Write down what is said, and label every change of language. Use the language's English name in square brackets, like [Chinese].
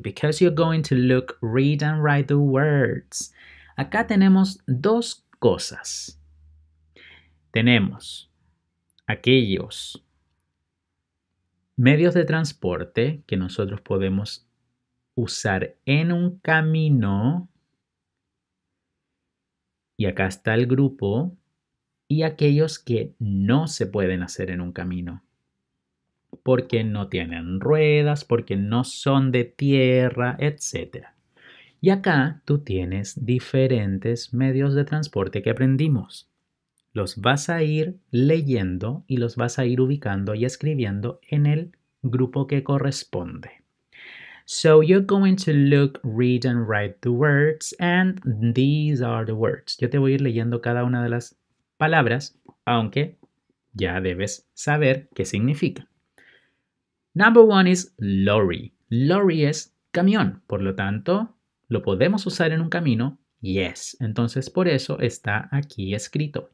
[English] Because you're going to look, read, and write the words. [Spanish] Acá tenemos dos cosas. Tenemos aquellos medios de transporte que nosotros podemos usar en un camino. Y acá está el grupo. Y aquellos que no se pueden hacer en un camino. Porque no tienen ruedas, porque no son de tierra, etc. Y acá tú tienes diferentes medios de transporte que aprendimos. Los vas a ir leyendo y los vas a ir ubicando y escribiendo en el grupo que corresponde. [English] So you're going to look, read and write the words. And these are the words. [Spanish] Yo te voy a ir leyendo cada una de las palabras, aunque ya debes saber qué significa. [English] Number 1 is lorry. [Spanish] Lorry es camión. Por lo tanto, ¿lo podemos usar en un camino? Yes. Entonces, por eso está aquí escrito.